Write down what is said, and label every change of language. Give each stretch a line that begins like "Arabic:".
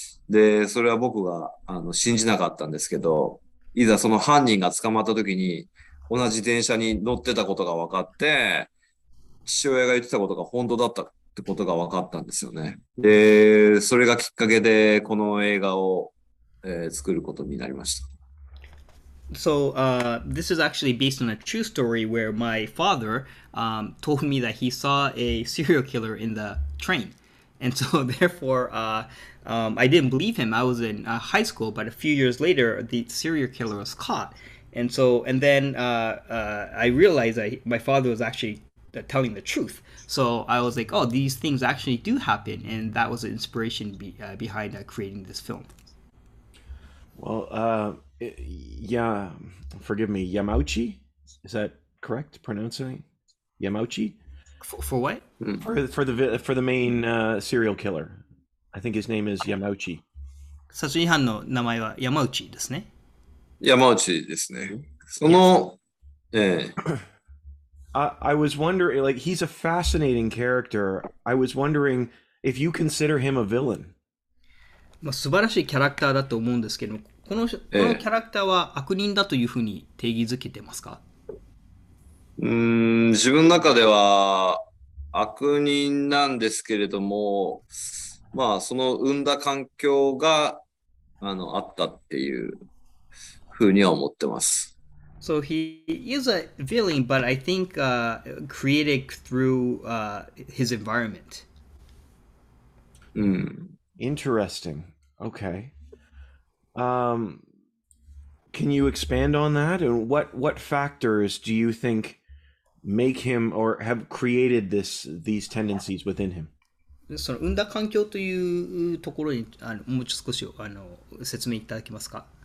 Japanese: で、それは僕が、信じなかったんですけど、いざその犯人が捕まった時に、同じ電車に乗ってたことが分かって、父親が言ってたことが本当だったってことが分かったんですよね。で、それがきっかけで、この映画を、作ることになりました。
English: So, this is actually based on a true story where my father told me that he saw a serial killer in the train. And so, therefore, I didn't believe him. I was in high school, but a few years later, the serial killer was caught. And then I realized that my father was actually telling the truth. So, I was like, oh, these things actually do happen. And that was the inspiration behind creating this film. Forgive me, Yamauchi? Is that correct pronouncing? Yamauchi? For what? For the main serial killer. I think his name is Yamauchi.
Japanese: 殺人犯の名前は山内ですね。 Yamauchi ですね。
English: Yes. I was wondering, like, he's a fascinating character. I was wondering if you consider him a villain.
Japanese: まあ、素晴らしいキャラクターだと思うんですけど、このキャラクターは悪人だというふうに定義づけてますか？自分の中では悪人なんですけれども、まあ、その生んだ環境が、あったっていうふうには思ってます。
English: So he is a villain, but I think created through his environment. Interesting. Can you expand on that? And what factors do you think make him or have created these tendencies within him?
Japanese: その生んだ環境というところにもう少し説明いただけますか？